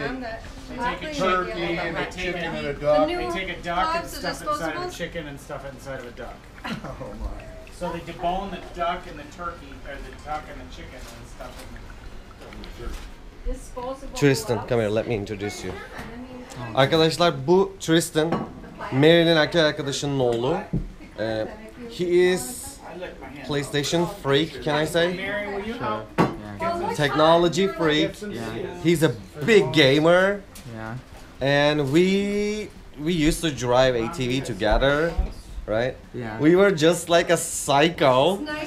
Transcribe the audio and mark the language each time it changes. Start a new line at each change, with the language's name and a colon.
English: Yeah, they take a turkey and a chicken and a duck. They take a duck and stuff inside of a chicken and stuff inside of a duck. Oh, my. So they debone the duck and the turkey, or the duck and the chicken and stuff in the turkey. Tristan, come here, let me introduce you.
Turkish: Arkadaşlar, bu Tristan, Mary'nin erkek arkadaşının oğlu.
English: He is PlayStation freak, can I say? Technology freak. He's a big gamer. And we used to drive ATV together, right? We were just like a psycho.